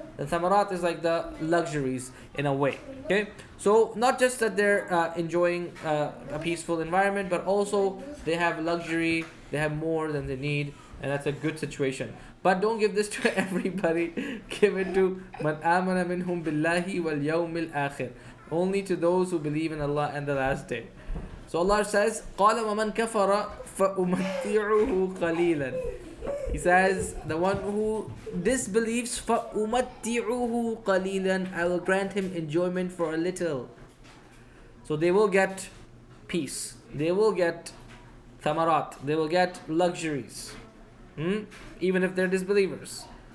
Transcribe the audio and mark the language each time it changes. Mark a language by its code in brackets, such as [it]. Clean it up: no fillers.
[en] The thamarat is like the luxuries in a way. Okay, so not just that they're enjoying a peaceful environment, but also they have luxury, they have more than they need, and that's a good situation. But don't give this to everybody. Give it to [ar] man amana minhum billahi wal yawmil akhir, [en] only to those who believe in Allah and the last day. So Allah says, [ar] قَالَ وَمَنْ كَفَرَ فَأُمَتِّعُهُ قَلِيلًا. [en] He says, the one who disbelieves, [ar] فَأُمَتِّعُهُ قَلِيلًا, [en] I will grant him enjoyment for a little. So they will get peace. They will get thamarat. They will get luxuries. Even if they're disbelievers.